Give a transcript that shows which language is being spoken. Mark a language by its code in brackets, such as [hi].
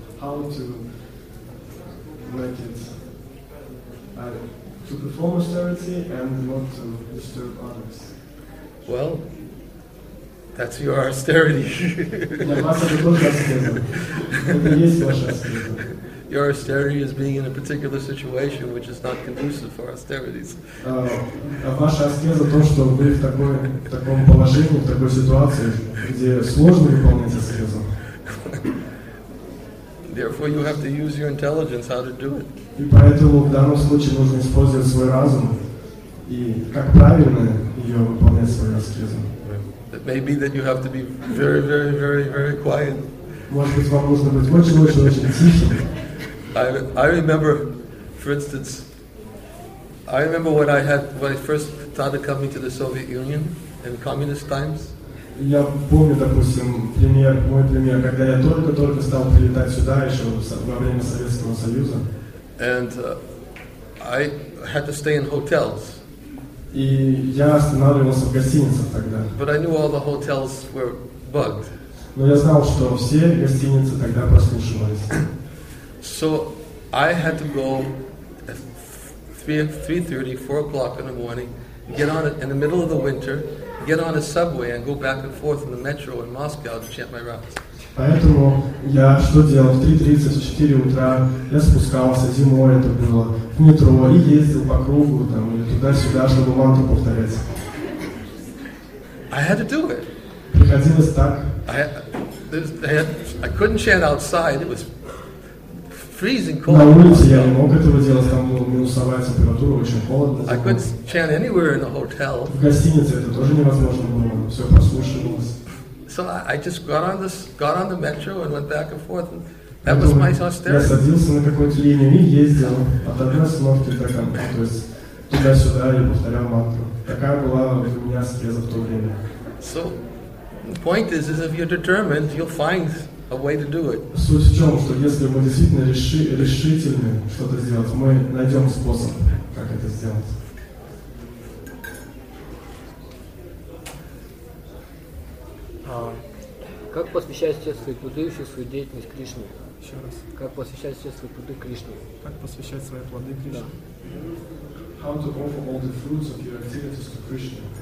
[en] How to make it to perform austerity and not to disturb others? Well, that's your austerity. Your austerity is being in a particular situation which is not conducive for austerities. [ru] Ваша аскеза то, что вы в таком положении, в такой ситуации, где сложно выполнять аскезу. [en] Therefore, you have to use your intelligence how to do it. [ru] И поэтому в данном случае нужно использовать свой разум и как правильно ее выполнять свою аскезу. [en] It may be that you have to be very, very, very, very quiet. [ru] Может быть, вам нужно быть очень тихим. [en] I remember when I had when I first started coming to the Soviet Union in communist times. [ru] Я помню, допустим, мой пример, когда я только стал прилетать сюда еще во время Советского Союза. [en] And I had to stay in hotels. [ru] И я останавливался в гостиницах тогда. [en] But I knew all the hotels were bugged. [ru] Но я знал, что все гостиницы тогда прослушивались. [en] So I had to go at 3:30, 4 o'clock in the morning, get on it in the middle of the winter, get on a subway and go back and forth in the metro in Moscow to chant my rounds. [ru] Поэтому я что делал? В 3:30, 4 утра я спускался зимой, это было, в метро, и ездил по кругу, там, или туда-сюда, чтобы мантру повторять. [en] I had to do it. [ru] Приходилось так. [en] I couldn't chant outside, it was freezing cold. [ru] На улице я не мог этого делать, там была минусовая температура, очень холодно. [en] I could chant anywhere in the hotel. [ru] В гостинице это тоже невозможно было, все прослушивалось. [en] So I just got on the metro and went back and forth. And that was my austerity. [ru] Я садился на какой-то линию и ездил от одной остановки до другой, то есть туда-сюда и повторял мантру. Такая была у меня аскеза в то время. So the point is if you're determined, you'll find a way to do it. Суть в чем, что если мы действительно решительны что-то сделать, мы найдем способ, как это сделать. Как посвящать все свои плоды и всю свою деятельность Кришне? Еще раз. Как посвящать все свои плоды Кришне? Как посвящать свои плоды Кришне? Да. [en] How to offer all the fruits of your activities to Krishna?